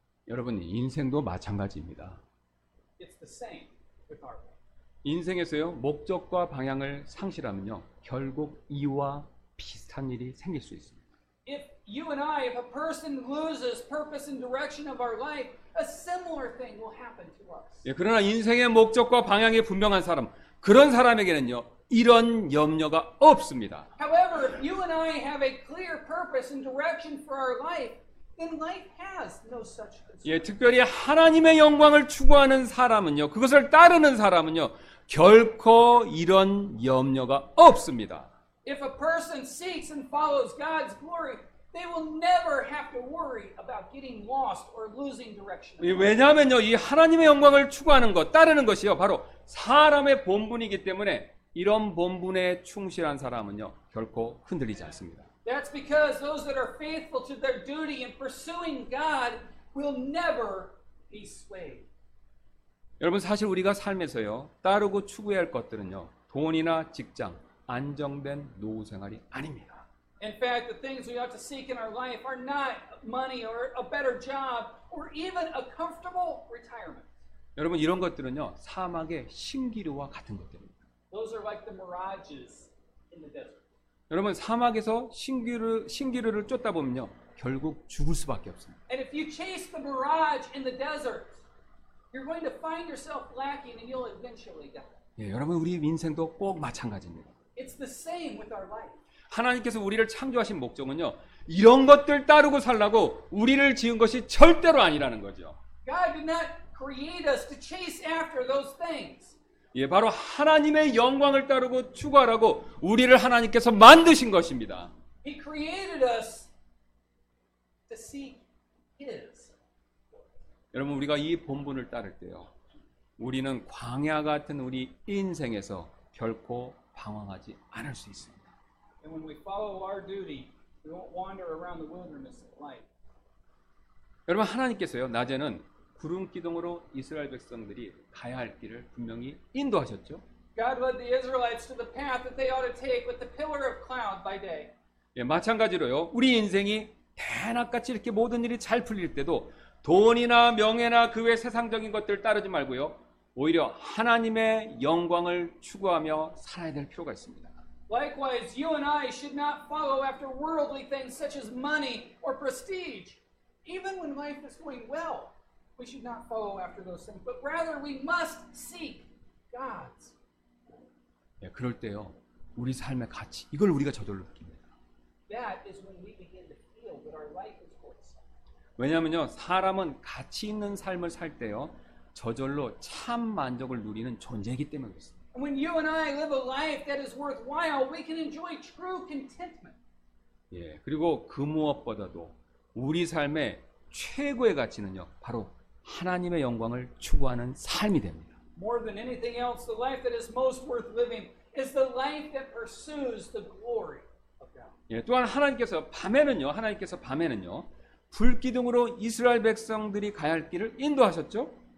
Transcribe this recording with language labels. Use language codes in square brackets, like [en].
[ko] 여러분, 인생도 마찬가지입니다. [en] It's the same with our life. [ko] 인생에서요. 목적과 방향을 상실하면요. 결국 이유와 비슷한 일이 생길 수 있습니다. [en] If you and I, if a person loses purpose and direction of our life, a similar thing will happen to us. [ko] 예, 그러나 인생의 목적과 방향이 분명한 사람, 그런 사람에게는요, 이런 염려가 없습니다. [en] However, if you and I have a clear purpose and direction for our life, then life has no such concern. [ko] 예, 특별히 하나님의 영광을 추구하는 사람은요, 그것을 따르는 사람은요, 결코 이런 염려가 없습니다. [en] If a person seeks and follows God's glory, they will never have to worry about getting lost or losing direction. [ko] 왜냐하면요, 이 하나님의 영광을 추구하는 것, 따르는 것이요, 바로 사람의 본분이기 때문에 이런 본분에 충실한 사람은요, 결코 흔들리지 않습니다. [en] That's because those that are faithful to their duty in pursuing God will never be swayed. [ko] 여러분, 사실 우리가 삶에서요, 따르고 추구해야 할 것들은요, 돈이나 직장, 안정된 노후 생활이 아닙니다. [en] In fact, the things we ought to seek in our life are not money or a better job or even a comfortable retirement. [ko] 여러분 이런 것들은요 사막의 신기루와 같은 것들입니다. [en] Those are like the mirages in the desert. [ko] 여러분 사막에서 신기루를 쫓다 보면요 결국 죽을 수밖에 없습니다. [en] And if you chase the mirage in the desert, you're going to find yourself lacking, and you'll eventually die. [ko] 예, 여러분 우리 인생도 꼭 마찬가지입니다. [en] It's the same with our life. [ko] 하나님께서 우리를 창조하신 목적은요. 이런 것들 따르고 살라고 우리를 지은 것이 절대로 아니라는 거죠. [en] God did not create us to chase after those things. [ko] 예, 바로 하나님의 영광을 따르고 추구하라고 우리를 하나님께서 만드신 것입니다. [en] He created us to seek his. [ko] 여러분 우리가 이 본분을 따를 때요. 우리는 광야 같은 우리 인생에서 결코 방황하지 않을 수 있습니다. [en] And when we follow our duty, we won't wander around the wilderness of life. [ko] 여러분 하나님께서요 낮에는 구름 기둥으로 이스라엘 백성들이 가야 할 길을 분명히 인도하셨죠. [en] God led the Israelites to the path that they ought to take with the pillar of cloud by day. [ko] 예, 마찬가지로요 우리 인생이 대낮같이 이렇게 모든 일이 잘 풀릴 때도 돈이나 명예나 그 외 세상적인 것들을 따르지 말고요. 오히려 하나님의 영광을 추구하며 살아야 될 필요가 있습니다. [en] Likewise, you and I should not follow after worldly things such as money or prestige. Even when life is going well, we should not follow after those things. But rather, we must seek God's. [ko] 예, 그럴 때요, 우리 삶의 가치, 이걸 우리가 저절로 느낍니다. [en] That is when we begin to feel that our life is worth something. [ko] 왜냐하면요, 사람은 가치 있는 삶을 살 때요, 저절로 참 만족을 누리는 존재이기 때문에 그렇습니다. [en] When you and I live a life that is worthwhile, we can enjoy true contentment. [ko] 예, 그리고 그 무엇보다도 우리 삶의 최고의 가치는요, 바로 하나님의 영광을 추구하는 삶이 됩니다. [en] More than anything else, the life that is most worth living is the life that pursues the glory of God. [ko] 예, 또한 하나님께서 밤에는요, 불기둥으로 이스라엘 백성들이 가야 할 길을 인도하셨죠.